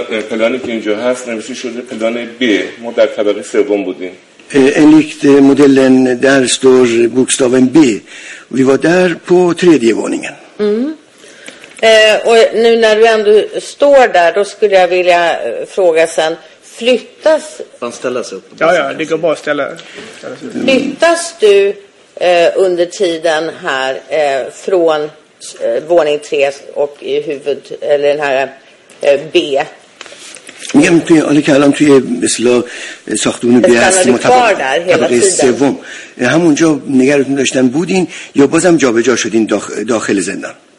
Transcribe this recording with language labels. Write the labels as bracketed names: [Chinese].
[Persian] پلانی که اینجا هست نمیشه شده پلان B. ما در تابلو سوم بودیم. [Swedish] Enligt modellen där står bokstaven B. Vi var där på tredje våningen. Mm. Och nu när du ändå står där, då skulle jag vilja fråga sen. Flyttas... Man ställer sig upp. Ja, det går bra att ställa. Flyttas du under tiden här från våning 3 och i huvud, eller den här B? [Persian] میگم توی حالی که الان توی مثلا ساختمون بی هستی طبقه سوم همونجا نگرتون داشتن بودین یا بازم جا به جا شدین داخل زندان؟